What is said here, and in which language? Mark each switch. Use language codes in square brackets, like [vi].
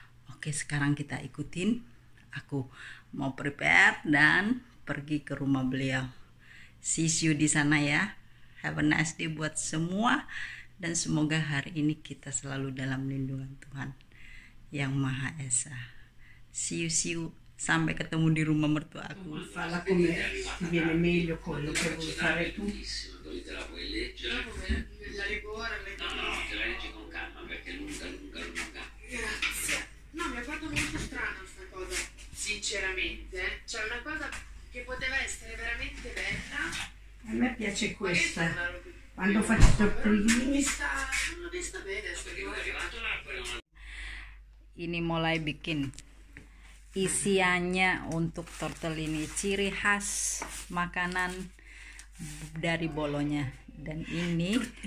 [id] Oke, sekarang kita ikutin. Aku mau prepare dan pergi ke rumah beliau. [en] See you [id] di sana ya. [en] Have a nice day [id] buat semua. Dan semoga hari ini kita selalu dalam lindungan Tuhan Yang Maha Esa. [en] See you, see you. [id] Sampai ketemu di rumah mertua aku. [it] Falla come viene meglio quello che vuoi fare tu. Dove te la puoi leggere? La rigore, le no, no, te la leggi con calma, perché è lunga, lunga, lunga. Grazie. No, mi ha fatto molto strano sta cosa, sinceramente. Cioè, una cosa che poteva essere veramente bella. A me piace questa. Quando faccio il tortellino. Non mi sta bene. Perché è arrivato l'acqua. [id] Ini mulai bikin. Isiannya untuk tortel ini, ciri khas makanan dari Bolonya, dan ini